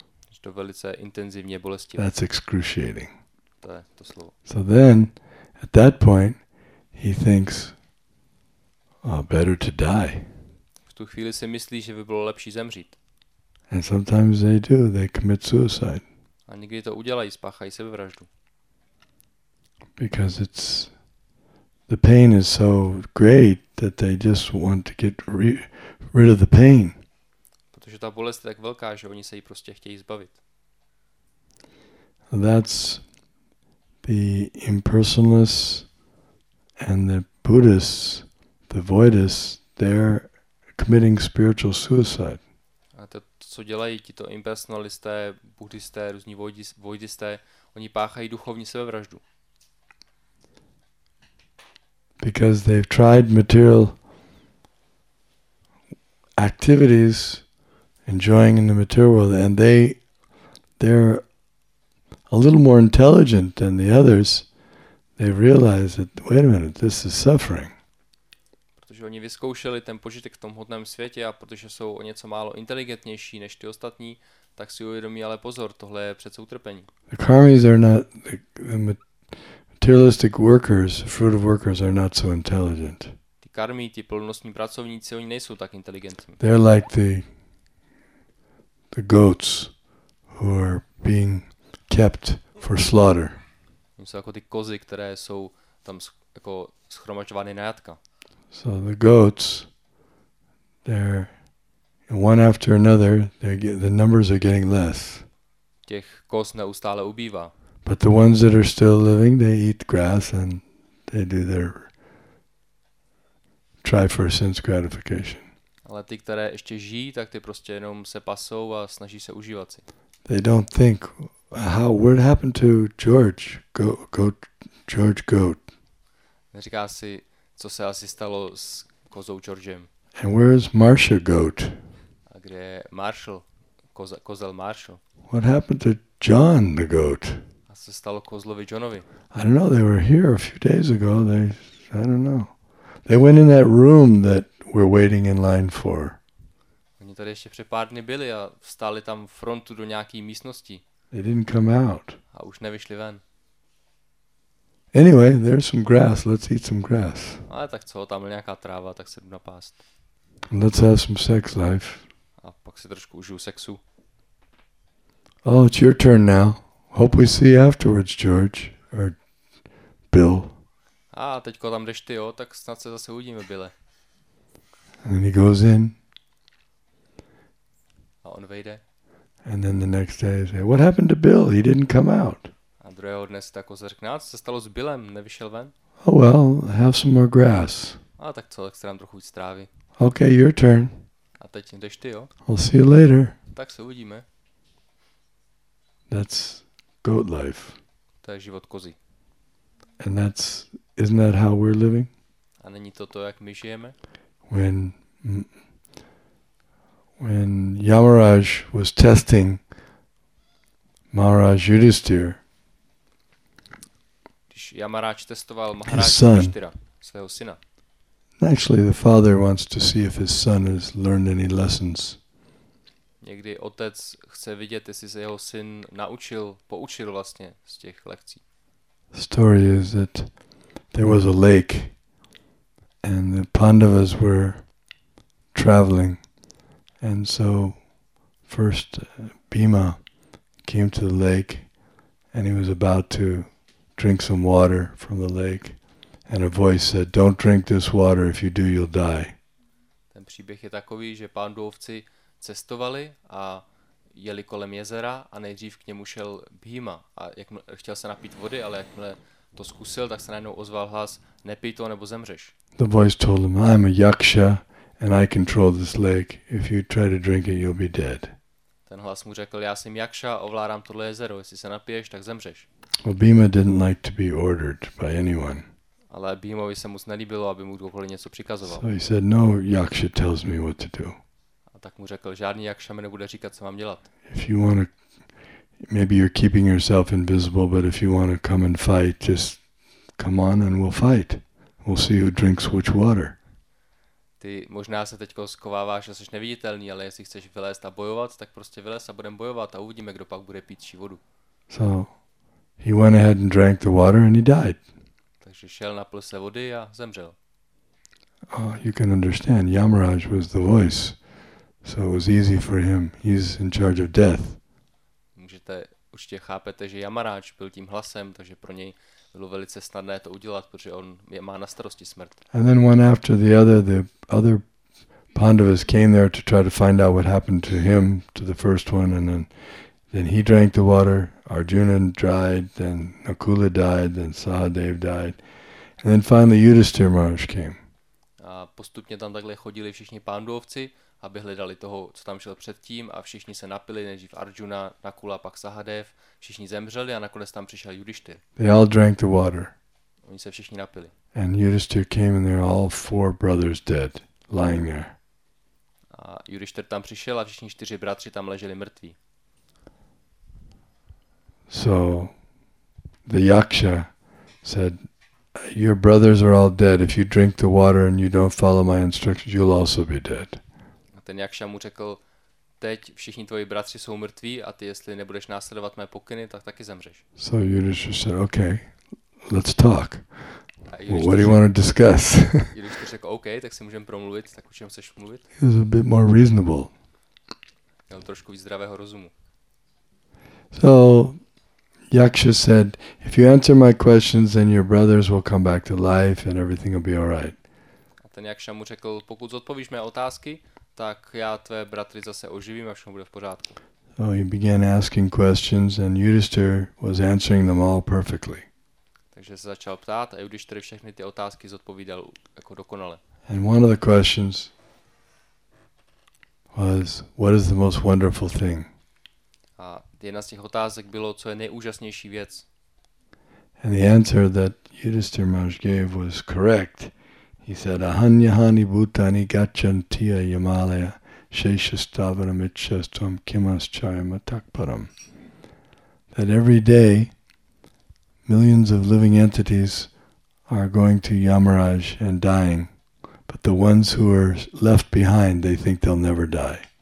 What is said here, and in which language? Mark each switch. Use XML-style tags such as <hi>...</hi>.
<cs>Že to velice intenzivně bolestivé.</cs> <en>That's excruciating.</en> <cs>To je to slovo.</cs> <en>So then, at that point, he thinks, better to die.</en> <cs>V tu chvíli si myslí, že by bylo lepší zemřít.</cs> <en>And sometimes they do, they commit suicide.</en> <cs>A někdy to udělají, spáchají sebevraždu.</cs> <en>Because it's, the pain is so great that they just want to get rid of the pain.</en> <cs>Protože ta bolest je tak velká, že oni se jí prostě chtějí zbavit.</cs> <en>That's the impersonalist and the Buddhists, the voidists, they're committing spiritual suicide.</en> <cs>A to, co dělají tito impersonalisté, buddhisté, různí voidisté, oni páchají duchovní sebevraždu.</cs> <en>because they've tried material activities, enjoying in the material world, and they're a little more intelligent than the others. They realize that, wait a minute, this is suffering.</en> <cs>Protože oni vyzkoušeli ten požitek v tom hodném světě a protože jsou o něco málo inteligentnější než ty ostatní, tak si uvědomí, ale pozor, tohle je přece utrpení.</cs> <en>The karmis are not, the materialistic workers, fruit of workers are not so intelligent.</en> <cs>Ty karmi, ty plnostní pracovníci, oni nejsou tak inteligentní.</cs> <en>They're like the goats who are being kept for slaughter.</en> <cs>Oni jsou jako ty kozy, které jsou tam jako schromažďovány na jatka.</cs> <en>So the goats, they're one after another, the numbers are getting less.</en> <cs>Těch koz neustále ubývá.</cs> <en>But the ones that are still living, they eat grass and they do their try for sense gratification.</en> <cs>Ale ty, které ještě žijí, tak ty prostě jenom se pasou a snaží se užívat si.</cs> <en>They don't think, how, what happened to George? Goat, George Goat.</en> <cs>Neříká si, co se asi stalo s kozou Georgem.</cs> <en>And where is Marsha Goat?</en> <cs>Kde je Marshall, kozel Marshall.</cs> <en>What happened to John the goat?</en> <cs>A co se stalo kozlovi Johnovi?</cs> <en>I don't know, they were here a few days ago. I don't know. They went in that room that we're waiting in line for.</en> <cs>Oni tady ještě před pár dny byli a vstali tam frontu do nějaký místnosti.</cs> <en>They didn't come out.</en> <cs>A už nevyšli ven.</cs> <en>Anyway, there's some grass, let's eat some grass.</en> <cs>Ale tak co, tam je nějaká tráva, tak se jdu napást.</cs> <en>Let's have some sex life.</en> <cs>A pak si trošku užiju sexu.</cs> <en>Oh, it's your turn now. Hope we see you afterwards, George. Or Bill.</en> <cs>A teďko tam jdeš ty, jo? Tak snad se zase uvidíme, Bille.</cs> <en>And then he goes in.</en> <cs>A on vejde.</cs> <en>And then the next day he says, what happened to Bill? He didn't come out.</en> <cs>A druhého dne si tako zřekne, a co se stalo s Billem? Nevyšel ven?</cs> <en>Oh well, have some more grass.</en> <cs>A tak co, tak se dám trochu víc trávy.</cs> <en>Okay, your turn.</en> <cs>A teď jdeš ty, jo?</cs> <en>I'll see you later.</en> <cs>Tak se uvidíme.</cs> <en>That's goat life.</en> <cs>To je život kozy.</cs> <en>And that's, isn't that how we're living?</en> <cs>A není to to, jak my žijeme?</cs> <en>When Yamaraj was testing Maharaj Yudhisthira,</en> <cs>když Yamaraj testoval Maharaj Yudhisthira, svého syna.</cs> <en>Actually, the father wants to see if his son has learned any lessons.</en> <cs>Někdy otec chce vidět, jestli se jeho syn naučil, poučil vlastně z těch lekcí.</cs> <en>The story is that there was a lake and the Pandavas were traveling, and so first Bhima came to the lake and he was about to drink some water from the lake. And a voice said, don't drink this water, if you do, you'll die.</en> <cs>Ten příběh je takový, že pánduovci cestovali a jeli kolem jezera a nejdřív k němu šel Bhima. A chtěl se napít vody, ale jakmile to zkusil, tak se najednou ozval hlas, nepij to, nebo zemřeš.</cs> <en>The voice told him, I'm a yaksha and I control this lake. If you try to drink it, you'll be dead.</en> <cs>Ten hlas mu řekl, já jsem yaksha, ovládám tohle jezero, jestli se napiješ, tak zemřeš.</cs> <en>Well, Bhima didn't like to be ordered by anyone.</en> <cs>Ale Bhimovi se moc nelíbilo, aby mu kdokoliv něco přikazoval.</cs> <en>So he said, no, yaksha tells me what to do.</en> <cs>A tak mu řekl, žádný yaksha mi nebude říkat, co mám dělat.</cs> <en>If you want to, maybe you're keeping yourself invisible, but if you want to come and fight, just come on and we'll fight. We'll see who drinks which water.</en> <cs>Ty možná se teďko schováváš a jsi neviditelný, ale jestli chceš vylézt a bojovat, tak prostě vylez a budeme bojovat a uvidíme, kdo pak bude pít čí vodu.</cs> <en>So he went ahead and drank the water and he died.</en> <cs>Takže šel, napil se vody a zemřel.</cs> <en>You can understand, Yamaraj was the voice, so it was easy for him. He's in charge of death.</en> <cs>Můžete, určitě chápete, že Yamaraj byl tím hlasem, takže pro něj bylo velice snadné to udělat, protože on má na starosti smrt.</cs> <en>And then one after the other Pandavas came there to try to find out what happened to him, to the first one, and then he drank the water. Arjuna died, then Nakula died, then Sahadev died, and then finally Yudhisthira Maharaj came.</en> <cs>A postupně tam takhle chodili všichni pánduovci, aby hledali toho, co tam šel předtím, a všichni se napili, nejdřív Arjuna, Nakula, pak Sahadev, všichni zemřeli a nakonec tam přišel Yudhisthira.</cs> <en>They all drank the water.</en> <cs>Oni se všichni napili.</cs> <en>And Yudhishthir came and they're all four brothers dead, lying there.</en> <cs>A Yudhishthir tam přišel a všichni čtyři bratři tam leželi mrtví.</cs> <en>So the yaksha said, your brothers are all dead. If you drink the water and you don't follow my instructions, you'll also be dead.</en> <cs>A ten yaksha mu řekl, teď všichni tvoji bratři jsou mrtví a ty, jestli nebudeš následovat mé pokyny, tak taky zemřeš.</cs> <en>So Yudhishthir said, okay, let's talk. Well, what do you want to discuss?</en> <cs>Yudhishthir řekl, okay, tak si můžeme promluvit, tak o čem chceš mluvit?</cs> <en>He was a bit more reasonable.</en> <cs>Měl trošku víc zdravého rozumu.</cs> <en>So Yaksha said, if you answer my questions, then your brothers will come back to life and everything will be all right.</en> <cs>A ten Yaksha mu řekl, pokud zodpovíš mé otázky, tak já tvé bratry zase oživím a všechno bude v pořádku.</cs> <en>So he began asking questions and Yudhishthir was answering them all perfectly.</en> <cs>Takže se začal ptát a Yudhishthir všechny ty otázky zodpovídal jako dokonale.</cs> <en>And one of the questions was, what is the most wonderful thing?</en> <cs>A jedna z těch otázek bylo, co je nejúžasnější věc.</cs> <en>And the answer that Yudhishthir Maharaj gave was correct. He said,</en> <sa>Ahanyahani bhutani gacchantiya yamalaya sheshastavaram ichyastvam kimaschaya matakparam.</sa> <en>That every day, millions of living entities are going to Yamaraj and dying, but the ones who are left behind, they think they'll never die.</en>